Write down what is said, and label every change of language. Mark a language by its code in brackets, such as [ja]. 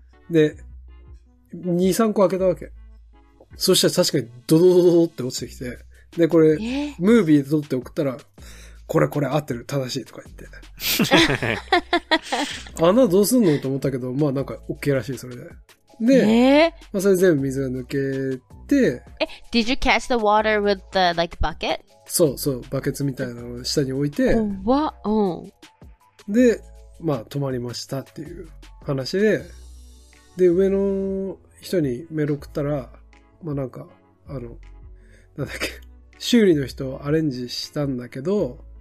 [ja] で、2、3個開けたわけ。そしたら確かにドドドドって落ちてきて、で、これ、ムービーで撮って送ったら、これ合ってる、正しいとか言って。穴どうすんのと思ったけど、まあなんか OK らしい、それで。で、まあ、それ全部水が抜けて。 [en] Did you catch the water with the, like, bucket? [ja] そうそう、バケツみたいなのを下に置いて。うわ、うん。で、まあ、泊まりましたっていう話で、で、上の人にメール送ったら、まあ、なんか、あの、なんだっけ、修理の人をアレンジしたんだけど、